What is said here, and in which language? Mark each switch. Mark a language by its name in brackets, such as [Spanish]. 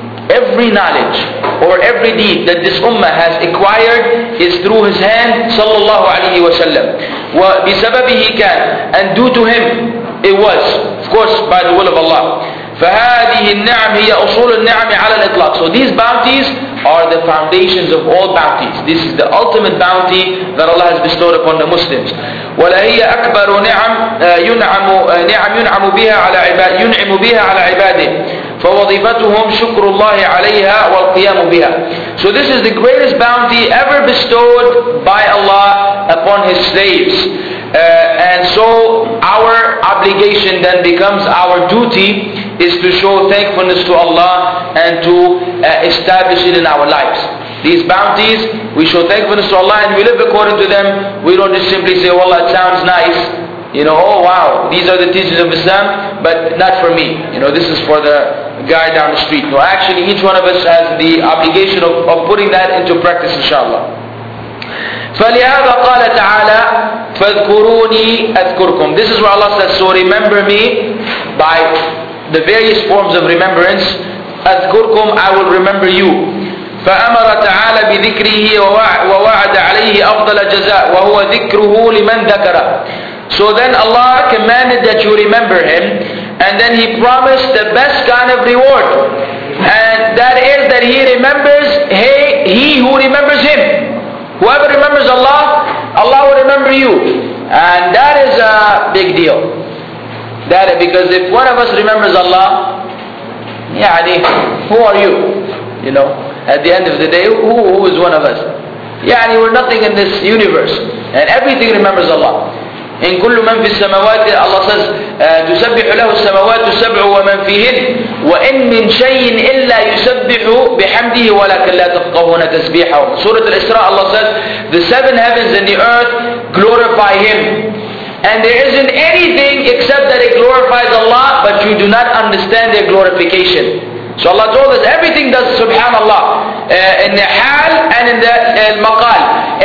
[English] Every knowledge or every deed that this ummah has acquired is through his hand [Arabic] صلى الله عليه وسلم. وبسببه كان. [English] And due to him it was, of course, by the will of Allah. [Arabic] فهذه النعم هي أصول النعم على الإطلاق. [English] So these bounties are the foundations of all bounties. This is the ultimate bounty that Allah has bestowed upon the Muslims. [Arabic] ولا هي أكبر نعم ينعم بها على عباده. فوظيفتهم شكر الله عليها والقيام بها. [English] So this is the greatest bounty ever bestowed by Allah upon His slaves. And so our obligation then becomes our duty is to show thankfulness to Allah and to establish it in our lives. These bounties, we show thankfulness to Allah and we live according to them. We don't just simply say, well, that sounds nice. You know, oh wow, these are the teachings of Islam, but not for me. You know, this is for the guy down the street. No, actually each one of us has the obligation of putting that into practice, inshallah. [Arabic] فلهذا قال تعالى فاذكروني أذكركم. [English] This is where Allah says, so remember me by the various forms of remembrance. أذكركم, I will remember you. [Arabic] فأمر تعالى بذكره ووعد عليه أفضل جزاء وهو ذكره لمن ذكره. [English] So then Allah commanded that you remember him, and then he promised the best kind of reward, and that is that he remembers he who remembers him. Whoever remembers Allah, Allah will remember you. And that is a big deal. That is because if one of us remembers Allah, يعني, who are you? You know, at the end of the day, who is one of us? يعني, we're nothing in this universe. And everything remembers Allah. [Arabic] إن كل من في السماوات, [English] Allah says, [Arabic] تسبح له السماوات السبع ومن فيهن وإن من شيء إلا يسبح بحمده ولكن لا تفقهون تسبيحه. [English] سورة الإسراء, Allah says, the seven heavens and the earth glorify Him. And there isn't anything except that it glorifies Allah, but you do not understand their glorification. So Allah told us everything does subhanAllah. In the hal and in the maqal.